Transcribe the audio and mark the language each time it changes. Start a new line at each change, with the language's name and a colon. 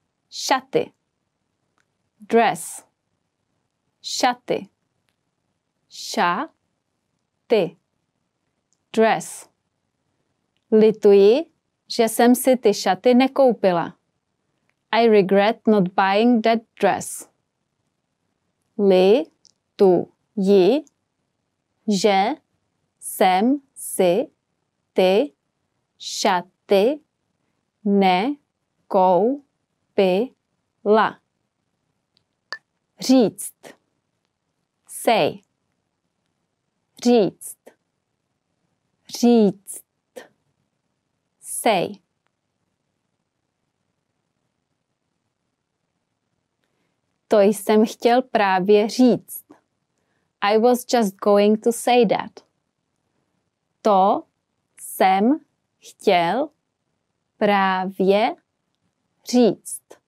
Czech: Šaty.
English: Dress.
Czech: Šaty. Šaty.
English: Dress.
Czech: Lituji, že jsem si ty šaty nekoupila.
English: I regret not buying that dress.
Czech: Lituji, že jsem si ty šaty nekoupila. Říct.
English: Say.
Czech: Říct. Říct.
English: Say.
Czech: To jsem chtěl právě říct.
English: I was just going to say that.
Czech: To jsem chtěl právě říct.